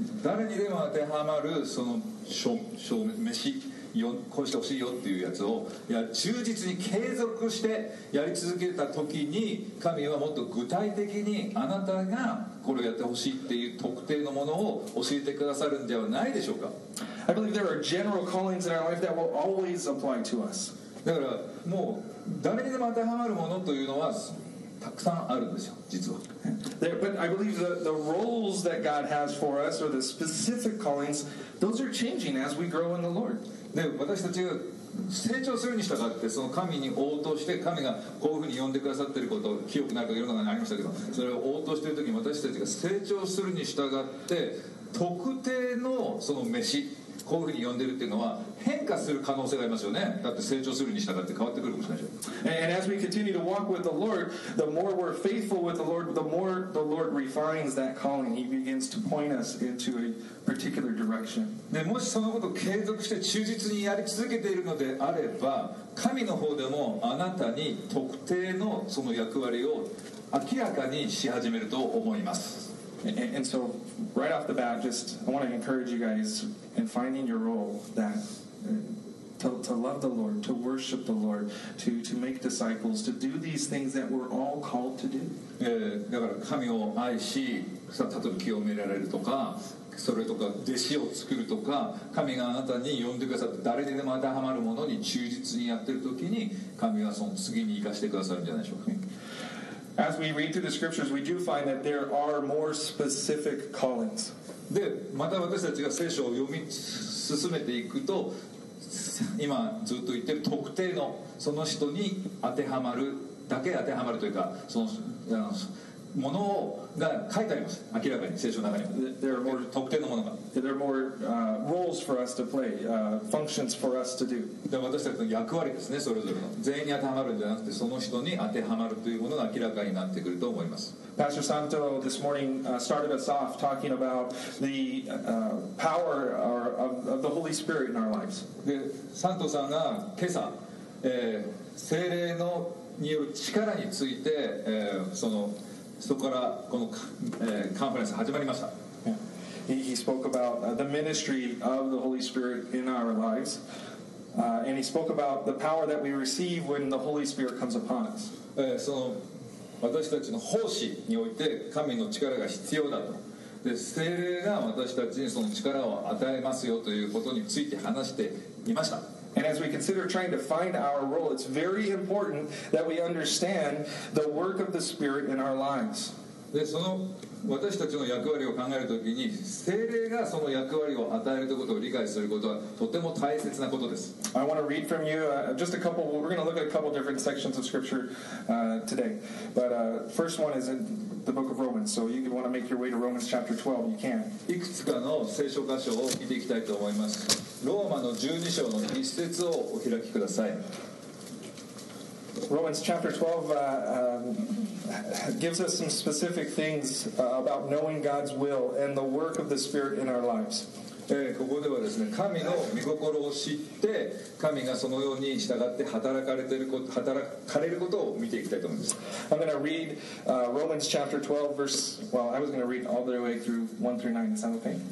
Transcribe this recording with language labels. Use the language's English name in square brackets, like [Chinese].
[Japanese] 誰にでも当てはまるその証明しよこうしてほしいよっていうやつをいや忠実に継続してやり続けた時に神はもっと具体的にあなたがこれをやってほしいっていう特定のものを教えてくださるんではないでしょうか [English] I believe there are general callings in our life that will always apply to us. [Japanese] だからもう誰にでも当てはまるものというのはたくさんあるんですよ実は。 [English] There, but I believe the roles that God has for us or the specific callings, those are changing as we grow in the Lord. [Japanese] で、私たちが成長するに従って、その神に応答して、神がこういうふうに呼んでくださっていること、清くなるか世の中にありましたけど、それを応答しているときに私たちが成長するに従って、特定のその召し、こういうふうに呼んでいるっていうのは、変化する可能性がありますよね。だって成長するに従って変わってくるかもしれないでしょ。 [English] And as we continue to walk with the Lord, the more we're faithful with the Lord, the more the Lord refines that calling. He begins to point us into a particular direction. [Japanese] で、もしそのことを継続して忠実にやり続けているのであれば、神の方でもあなたに特定のその役割を明らかにし始めると思います。 [English] And so right off the bat, just I want to encourage you guys in finding your role that to love the Lord, to worship the Lord, to make disciples, to do these things that we're all called to do. [Japanese] だから神を愛し、さ、例えば清められるとか、それとか弟子を作るとか、神があなたに呼んでくださって誰にでも当てはまるものに忠実にやってるときに、神はその次に生かしてくださるんじゃないでしょうか。 [English] As we read through the scriptures, we do find that there are more specific callings. [Japanese] で、また私たちが聖書を読み進めていくと、今ずっと言ってる特定のその人に当てはまるだけ当てはまるというか、その人のものをが書いてあります。明らかに聖書の中にも。 [English] There are more [Japanese] 特定のものが。 [English] There are more roles for us to play, functions for us to do. [Japanese] で、私たちの役割ですね、それぞれの。全員に当てはまるんじゃなくて、その人に当てはまるというものが明らかになってくると思います。 [English] Pastor Santo this morning started us off talking about the power of the Holy Spirit in our lives. [Japanese] で、サントさんが今朝、聖霊のによる力について、その。そこからこのカンファレンス始まりました。 Yeah. [English] He spoke about the ministry of the Holy Spirit in our lives, and he spoke about the power that we receive when the Holy Spirit comes upon us. [Japanese] その私たちの奉仕において神の力が必要だと。で、聖霊が私たちにその力を与えますよということについて話していました。 [English] And as we consider trying to find our role, it's very important that we understand the work of the Spirit in our lives. [Japanese] で、その私たちの役割を考えるときに、聖霊がその役割を与えるということを理解することはとても大切なことです。 [English] I want to read from you just a couple. We're going to look at a couple different sections of Scripture today. But first one is in the book of Romans. So you want to make your way to Romans chapter 12, you can. [Japanese] いくつかの聖書箇所を見ていきたいと思います。ローマの12章の1節をお開きください。 [English] Romans chapter 12 gives us some specific things about knowing God's will and the work of the Spirit in our lives. [Japanese] ここではですね、神の御心を知って、神がそのように従って働かれることを見ていきたいと思います。 [English] I'm going to read Romans chapter 12 verse, well, I was going to read all the way through 1 through 9. Is that okay?